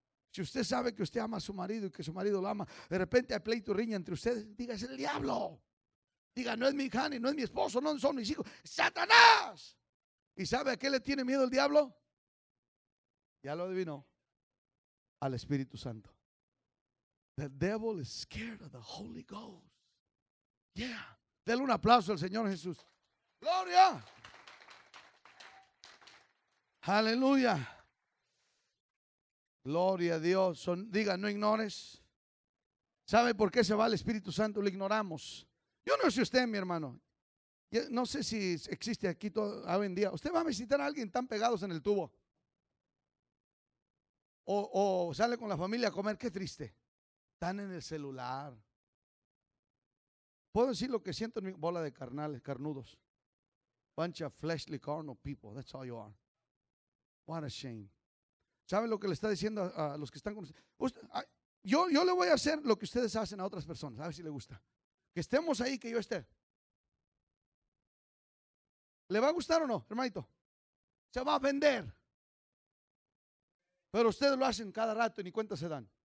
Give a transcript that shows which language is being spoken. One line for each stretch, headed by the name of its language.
Spanish: Si usted sabe que usted ama a su marido y que su marido lo ama, de repente hay pleito y riña entre ustedes, diga, es el diablo, diga, no es mi hija, no es mi esposo, no son mis hijos, ¡Satanás! ¿Y sabe a qué le tiene miedo el diablo? Ya lo adivinó, al Espíritu Santo.
English: The devil is scared of the Holy Ghost.
Spanish: Yeah. Denle un aplauso al Señor Jesús. ¡Gloria! ¡Aleluya! ¡Gloria a Dios! Diga, no ignores. ¿Sabe por qué se va el Espíritu Santo? Lo ignoramos. Yo no sé usted, mi hermano. Yo no sé si existe aquí todo hoy en día. ¿Usted va a visitar a alguien tan pegados en el tubo? O sale con la familia a comer, qué triste. Están en el celular. Puedo decir lo que siento en mi bola de carnales, carnudos.
English: Bunch of fleshly carnal people, that's all you are. What a shame.
Spanish: ¿Saben lo que le está diciendo a los que están con usted? Yo le voy a hacer lo que ustedes hacen a otras personas, a ver si le gusta. Que estemos ahí, que yo esté. ¿Le va a gustar o no, hermanito? Se va a ofender. Pero ustedes lo hacen cada rato y ni cuenta se dan.